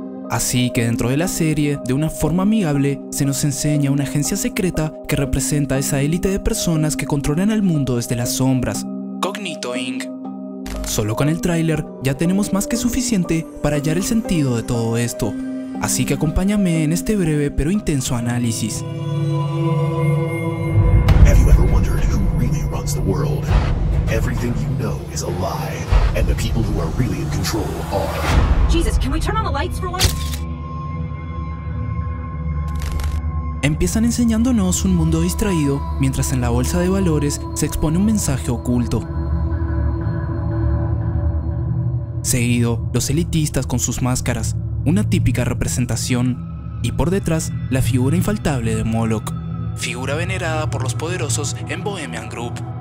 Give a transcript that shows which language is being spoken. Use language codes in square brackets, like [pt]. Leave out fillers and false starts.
[es] Así que dentro de la serie, de una forma amigable, se nos enseña una agencia secreta que representa esa élite de personas que controlan el mundo desde las sombras, Cognito Inc. Solo con el tráiler ya tenemos más que suficiente para hallar el sentido de todo esto, así que acompáñame en este breve pero intenso análisis. [en] ¿Has ever wondered who really runs the world? Everything you know is a lie, and the people who are really in control are. Jesus, can we turn on the lights for once? [es] Empiezan enseñándonos un mundo distraído mientras en la bolsa de valores se expone un mensaje oculto. Seguido, los elitistas con sus máscaras, una típica representación, y por detrás, la figura infaltable de Moloch, figura venerada por los poderosos en Bohemian Group.